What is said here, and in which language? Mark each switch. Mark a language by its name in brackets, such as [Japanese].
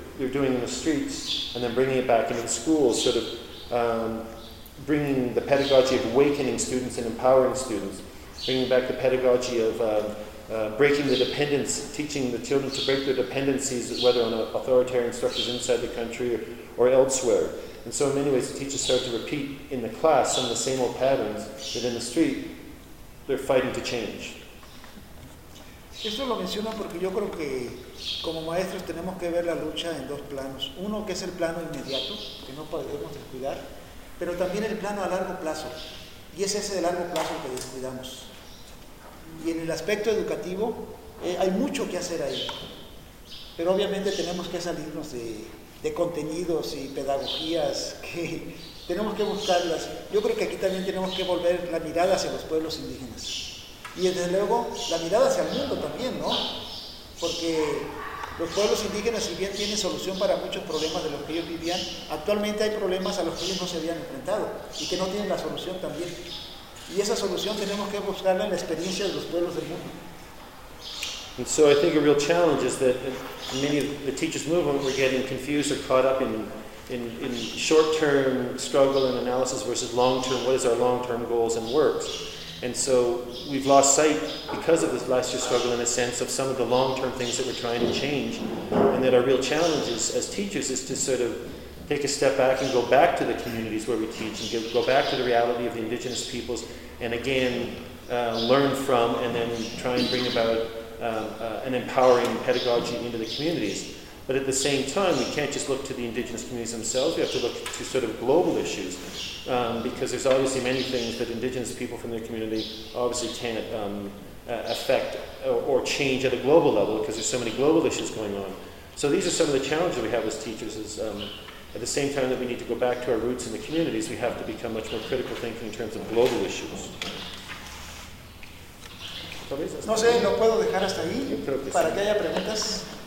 [English] you're doing in the streets, and then bringing it back into the schools, sort of bringing the pedagogy of awakening students and empowering students, bringing back the pedagogy of breaking the dependence, teaching the children to break their dependencies, whether on authoritarian structures inside the country or elsewhere. And so in many ways, the teachers start to repeat in the class some of the same old patterns that in the street, they're fighting to change. [Spanish] Esto lo menciono porque yo creo que como maestros tenemos que ver la lucha en dos planos. Uno que es el plano inmediato, que no podemos descuidar, pero también el plano a largo plazo. Y es ese de largo plazo que descuidamos. Y en el aspecto educativo hay mucho que hacer ahí. Pero obviamente tenemos que salirnos de contenidos y pedagogías que tenemos que buscarlas. Yo creo que aquí también tenemos que volver la mirada hacia los pueblos indígenas. Y desde luego la mirada hacia el mundo también, ¿no? Porque los pueblos indígenas, si bien tienen solución para muchos problemas de los que ellos vivían, actualmente hay problemas a los que ellos no se habían enfrentado y que no tienen la solución también. Y esa solución tenemos que buscarla en la experiencia de los pueblos del mundo. [English] And so I think a real challenge is that many of the teachers' movement were getting confused or caught up in short-term struggle and analysis versus long-term, what is our long-term goals and works. And so we've lost sight, because of this last year's struggle, in a sense, of some of the long-term things that we're trying to change. And that our real challenge is, as teachers, is to sort of take a step back and go back to the communities where we teach and go back to the reality of the indigenous peoples and again learn from and then try and bring about an empowering pedagogy into the communities. But at the same time, we can't just look to the indigenous communities themselves, we have to look to sort of global issues, because there's obviously many things that indigenous people from their community obviously can't affect or change at a global level, because there's so many global issues going on. So these are some of the challenges we have as teachers, is at the same time that we need to go back to our roots in the communities, we have to become much more critical thinking in terms of global issues. [Spanish] No sé, lo puedo dejar hasta ahí para que haya preguntas.